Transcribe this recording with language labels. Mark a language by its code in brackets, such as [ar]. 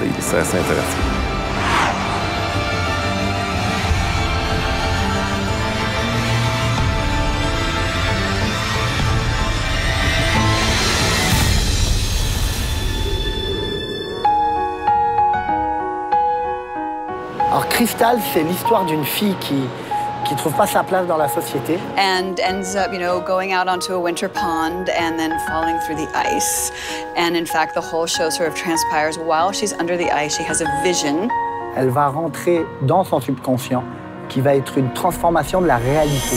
[fr] Et c'est assez intéressant. Alors, Cristal, c'est l'histoire d'une fille qui... qui trouve pas sa place dans la société. [en] And ends up, you know, going out onto a winter pond and then falling through the ice. And in fact, the whole show sort of transpires while she's under the ice. She has a vision. [fr] Elle va rentrer dans son subconscient, qui va être une transformation de la réalité.